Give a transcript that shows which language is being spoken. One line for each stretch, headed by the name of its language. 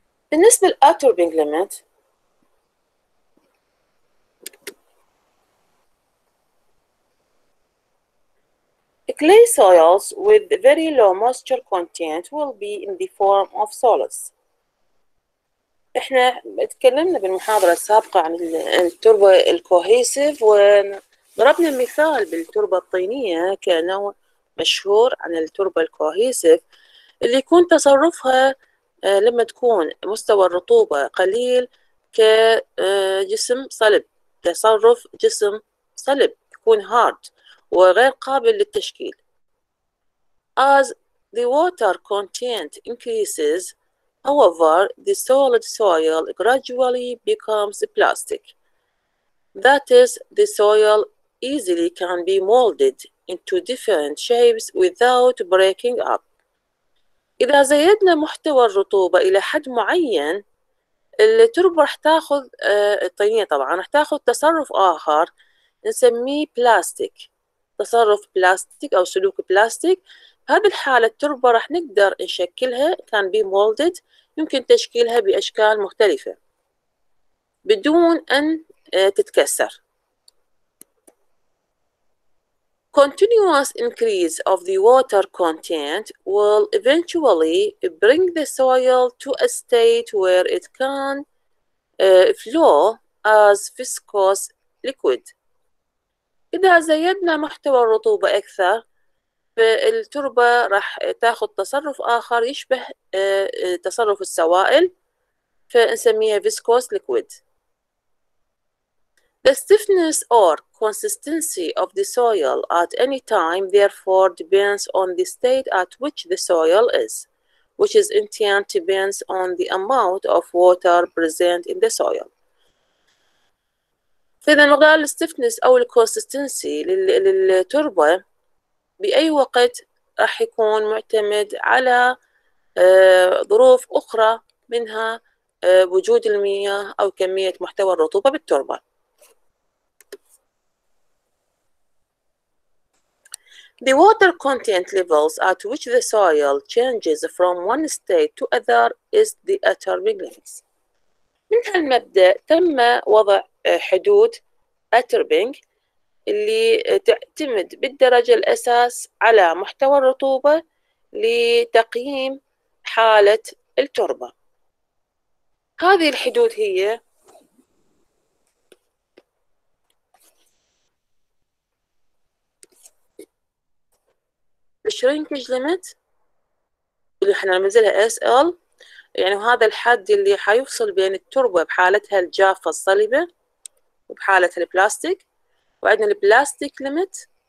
Arabic: بالنسبة للأتربينج ليميت،
English: Clay soils with very low moisture content will be in the form of solids.
Arabic: احنا تكلمنا بالمحاضرة السابقة عن التربة الكوهيسيف، وضربنا مثال بالتربة الطينية كنوع مشهور عن التربة الكوهيسيف اللي يكون تصرفها لما تكون مستوى الرطوبة قليل كجسم صلب، تصرف جسم صلب يكون هارد وغير قابل للتشكيل.
English: As the water content increases, however, the solid soil gradually becomes plastic. That is, the soil easily can be molded into different shapes without breaking up.
Arabic: إذا زيدنا محتوى الرطوبة إلى حد معين، التربة راح تاخذ الطينية طبعا راح تاخذ تصرف آخر نسميه بلاستيك، تصرف بلاستيك أو سلوك بلاستيك. هذه الحالة التربة راح نقدر نشكلها كان بي مولدد، يمكن تشكيلها بأشكال مختلفة بدون أن تتكسر.
English: Continuous increase of the water content will eventually bring the soil to a state where it can flow as viscous liquid.
Arabic: إذا زيدنا محتوى الرطوبة أكثر فالتربة راح تاخذ تصرف آخر يشبه تصرف السوائل، فنسميها viscous liquid.
English: The stiffness or consistency of the soil at any time therefore depends on the state at which the soil is, which is in turn depends on the amount of water present in the soil.
Arabic: فإذا مقدار الستيفنس أو الكونسستنسي للتربة بأي وقت راح يكون معتمد على ظروف أخرى، منها وجود المياه أو كمية محتوى الرطوبة بالتربة.
English: The water content levels at which the soil changes from one state to other is the utter beginnings.
Arabic: من هالمبدأ تم وضع حدود أتربينج اللي تعتمد بالدرجة الأساس على محتوى الرطوبة لتقييم حالة التربة. هذه الحدود هي الشرينكج ليميت اللي احنا نعملها SL، يعني هذا الحد اللي حيفصل بين التربة بحالتها الجافة الصلبة وبحالتها البلاستيك، وعندنا البلاستيك ليميت